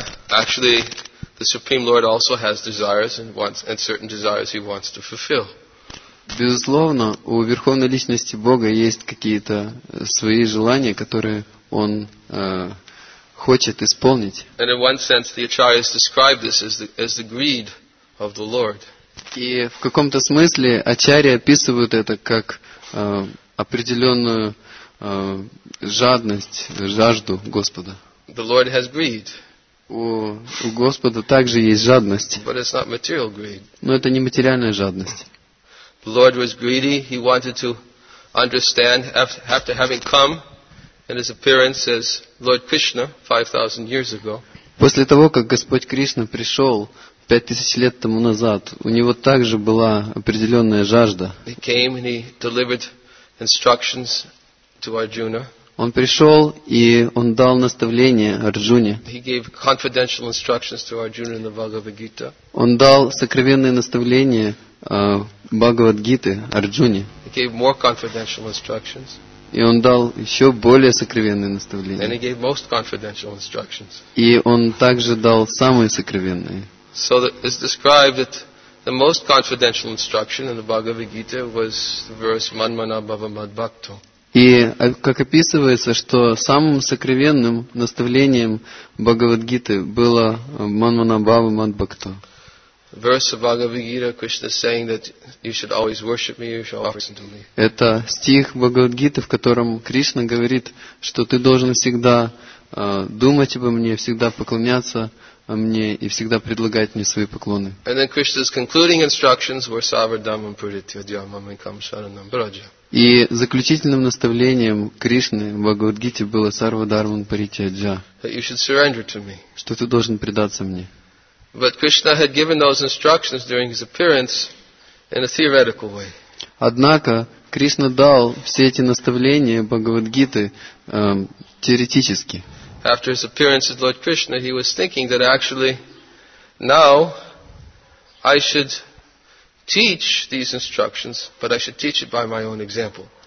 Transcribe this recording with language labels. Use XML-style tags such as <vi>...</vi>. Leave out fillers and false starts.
<en>Actually, the Supreme Lord also has desires and wants, and certain desires he wants to fulfill.</en> <ru>Безусловно, у Верховной Личности Бога есть какие-то свои желания, которые он хочет исполнить.</ru> <en>And in one sense, the Acharyas describe this as the greed of the Lord.</en> <ru>И в каком-то смысле ачарьи описывают это как определенную жадность, жажду Господа.</ru> <en>The Lord has greed.</en> <ru>У Господа также есть жадность.</ru> <en>But it's not material greed.</en> <ru>Но это не материальная жадность.</ru> <en>The Lord was greedy. He wanted to understand after having come in his appearance as Lord Krishna 5,000 years ago.</en> <ru>После того, как Господь Кришна пришел 5000 лет тому назад, у него также была определенная жажда.</ru> <en>He came and he delivered instructions to Arjuna.</en> <ru>Он пришел и он дал наставление Арджуне.</ru> <en>He gave confidential instructions to Arjuna in the Bhagavad Gita.</en> <ru>Он дал сокровенные наставления Бхагавад Гиты Арджуне.</ru> <en>He gave more confidential instructions.</en> <ru>И он дал еще более сокровенные наставления.</ru> <en>And he gave most confidential instructions.</en> <ru>И он также дал самые сокровенные.</ru> <en>So it's described that the most confidential instruction in the Bhagavad Gita was the verse Manmana Bhava Mad Bhakto.</en> <ru>И как описывается, что самым сокровенным наставлением Бхагавад Гиты было Манмана Бхава Мад Бхакто.</ru> <en>Verse of Bhagavad Gita, Krishna is saying that you should always worship me, you should always listen to me.</en> <ru>Это стих Бхагавад Гиты, в котором Кришна говорит, что ты должен всегда думать обо мне, всегда поклоняться о мне и всегда предлагать мне свои поклоны.</ru> <en>And then Krishna's concluding instructions were Savardhamam Puritya Dhyamam Ekam Sharanam Braja.</en> <ru>И заключительным наставлением Кришны в Бхагавад-гите было Сарва Дарман Паричаджа.</ru> <en>That you should surrender to me.</en> <ru>Что ты должен предаться мне.</ru> <en>But Krishna had given those instructions during his appearance in a theoretical way.</en> <ru>Однако Кришна дал все эти наставления Бхагавад-гиты теоретически.</ru> <en>After his appearance as Lord Krishna, he was thinking that actually now I should teach these instructions, but I should teach it by my own example.</en>